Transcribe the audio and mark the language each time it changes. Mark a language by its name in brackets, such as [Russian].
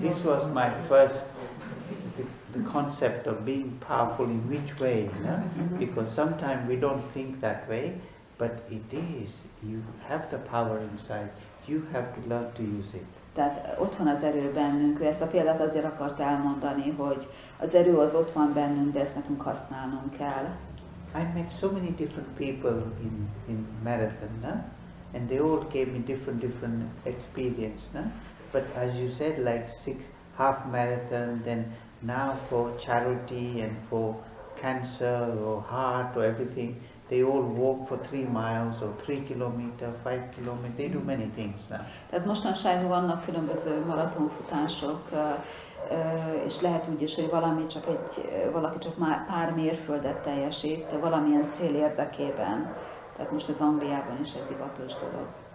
[English] This was my first, the concept of being powerful in which way, no? Mm-hmm. Because sometimes we don't think that way. But it is, you have the power inside, you have to learn to use it. [Hungarian] Tehát ott van az erő bennünk, ő ezt a példát azért akart elmondani, hogy az erő az ott van bennünk, de ezt nekünk használnunk kell. [English] I met so many different people in marathon, no? And they all gave me different experience, no? But as you said, like six half marathon, then now for charity and for cancer or heart or everything, they all walk for 3 miles or 3 kilometers, 5 kilometers, they do many things now. [Hungarian] Tehát mostanságban vannak különböző maratonfutások, és lehet úgy is, hogy valaki csak pár mérföldet teljesít, valamilyen cél érdekében. Tehát most az Angliában is egy divatos dolog.